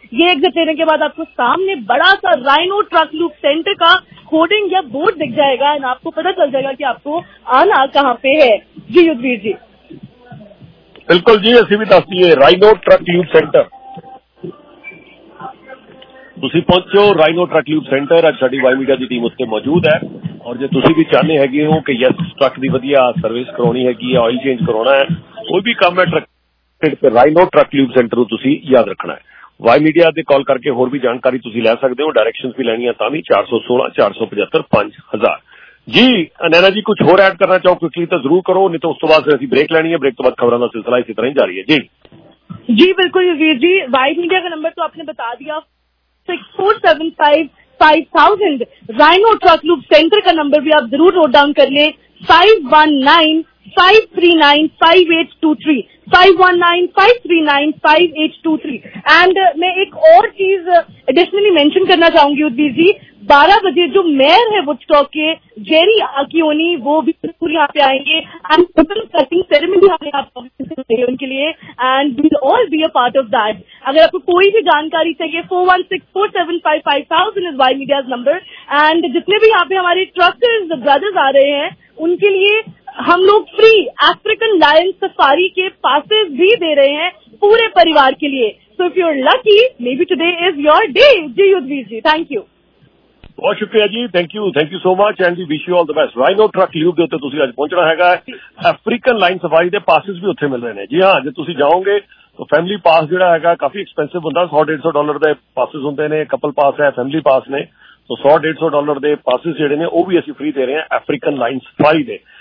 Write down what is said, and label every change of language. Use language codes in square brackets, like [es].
[hi] ये एग्जिट लेने के बाद आपको सामने बड़ा सा राइनो ट्रक लूप सेंटर का होर्डिंग या बोर्ड दिख जाएगा एंड आपको पता चल जाएगा कि आपको आना कहाँ पे है। जी युद्धवीर जी, बिल्कुल जी, ऐसी भी दस्ती है राइनो ट्रक ल्यूब सेंटर, [pa] ਤੁਸੀਂ ਪਹੁੰਚੋ ਰਾਈਨੋ ਟਰੱਕ ਲਿਊਬ ਸੈਂਟਰ। ਅੱਜ ਸਾਡੀ ਵਾਈ ਮੀਡੀਆ ਦੀ ਟੀਮ ਉੱਥੇ ਮੌਜੂਦ ਹੈ ਔਰ ਜੇ ਤੁਸੀਂ ਵੀ ਚਾਹੁੰਦੇ ਹੈਗੇ ਹੋ ਕਿ ਯੈਸ ਟਰੱਕ ਦੀ ਵਧੀਆ ਸਰਵਿਸ ਕਰਾਉਣੀ ਹੈਗੀ ਹੈ, ਆਇਲ ਚੇਂਜ ਕਰਾਉਣਾ ਹੈ, ਕੋਈ ਵੀ ਕੰਮ ਹੈ ਟਰੱਕ ਤੇ ਰਾਈਨੋ ਟਰੱਕ ਲਿਊਬ ਸੈਂਟਰ ਨੂੰ ਤੁਸੀਂ ਯਾਦ ਰੱਖਣਾ ਹੈ। ਵਾਈ ਮੀਡੀਆ ਤੇ ਕਾਲ ਕਰਕੇ ਹੋਰ ਵੀ ਜਾਣਕਾਰੀ ਤੁਸੀਂ ਲੈ ਸਕਦੇ ਹੋ, ਡਾਇਰੈਕਸ਼ਨ ਵੀ ਲੈਣੀਆਂ ਤਾਂ ਵੀ 416-475-5000। ਜੀ ਨੈਨਾ ਜੀ, ਕੁਛ ਹੋਰ ਐਡ ਕਰਨਾ ਚਾਹੋ ਕੁਇਕਲੀ ਤਾਂ ਜ਼ਰੂਰ ਕਰੋ, ਨਹੀਂ ਤਾਂ ਉਸ ਤੋਂ ਬਾਅਦ ਅਸੀਂ ਬ੍ਰੇਕ ਲੈਣੀ ਹੈ। ਬ੍ਰੇਕ ਤੋਂ ਬਾਅਦ ਖਬਰਾਂ ਦਾ ਸਿਲਸਿਲਾ ਇਸੇ ਤਰ੍ਹਾਂ ਹੀ ਜਾਰੀ ਹੈ। ਜੀ ਜੀ ਬਿਲਕੁਲ ਯੁਵੀਰ ਜੀ, ਵਾਈ ਮੀਡੀਆ ਦਾ ਨੰਬਰ ਤੋਂ ਆਪਣੇ ਬਤਾ ਦਿਆ, 6475-5000। [hi] राइनो ट्रक लूप सेंटर का नंबर भी आप जरूर नोट डाउन कर लें, 519-539-5823, 519-539-5823। एंड मैं एक और चीज एडिशनली मेंशन करना चाहूंगी उद्वीर जी, 12 बजे जो मेयर है वुडस्टॉक के जेरी आकियोनी, वो भी बिल्कुल यहाँ पे आएंगे एंड रिबन कटिंग सेरेमनी उनके लिए and [en] We will all be a part of that. [hi] अगर आपको कोई भी जानकारी चाहिए, 416-475-5000 is why medias number. And जितने भी यहाँ पे हमारे ट्रकर्स ब्रदर्स आ रहे हैं उनके लिए हम लोग फ्री अफ्रीकन लायन सफारी के पासेस भी दे रहे हैं पूरे परिवार के लिए। [en] So if you are lucky, maybe today is your day. [hi] Ji Yudhvir ji, thank you, [pa] ਬਹੁਤ ਸ਼ੁਕਰੀਆ ਜੀ, [en] Thank you so much and we wish you all the best. [pa] Rhino truck lube ਦੇ ਉੱਤੇ ਤੁਸੀਂ ਅੱਜ ਪਹੁੰਚਣਾ ਹੈਗਾ, ਅਫਰੀਕਨ ਲਾਈਨ ਸਫਾਰੀ ਦੇ ਪਾਸਿਸ ਵੀ ਉੱਥੇ ਮਿਲ ਰਹੇ ਨੇ। ਜੀ ਹਾਂ, ਜੇ ਤੁਸੀਂ ਜਾਓਗੇ ਤਾਂ ਫੈਮਿਲੀ ਪਾਸ ਜਿਹੜਾ ਹੈਗਾ ਕਾਫੀ ਐਕਸਪੈਂਸਿਵ ਹੁੰਦਾ, $100-$150 ਦੇ ਪਾਸਿਸ ਹੁੰਦੇ ਨੇ, ਕਪਲ ਪਾਸ ਹੈ, ਫੈਮਿਲੀ ਪਾਸ ਨੇ, ਸੋ $100-$150 ਦੇ ਪਾਸਿਸ ਜਿਹੜੇ ਨੇ ਉਹ ਵੀ ਅਸੀਂ ਫ੍ਰੀ ਦੇ ਰਹੇ ਹਾਂ ਅਫਰੀਕਨ ਲਾਈਨ ਸਫਾਰੀ ਦੇ।